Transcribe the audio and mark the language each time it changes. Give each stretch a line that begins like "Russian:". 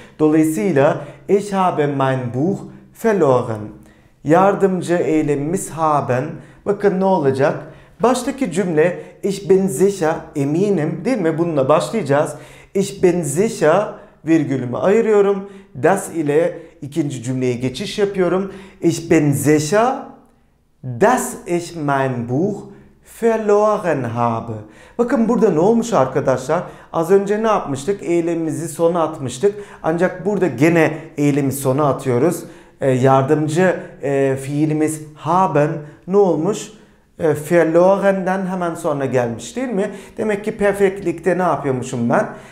German: Dolayısıyla ich habe mein Buch verloren.
Turkish: Yardımcı eylemimiz haben. Bakın ne olacak? Baştaki cümle ich bin sicher, eminim değil mi? Bununla başlayacağız. Ich bin sicher virgülümü ayırıyorum. Das ile ikinci cümleye geçiş yapıyorum.
German: Ich bin sicher, dass ich mein Buch verloren habe.
Turkish: Bakın burada ne olmuş arkadaşlar? Az önce ne yapmıştık? Eylemimizi sona atmıştık. Ancak burada gene eylemi sona atıyoruz. Yardımcı fiilimiz haben ne olmuş? Verloren'den hemen sonra gelmiş değil mi? Demek ki perfektlikte ne yapıyormuşum ben?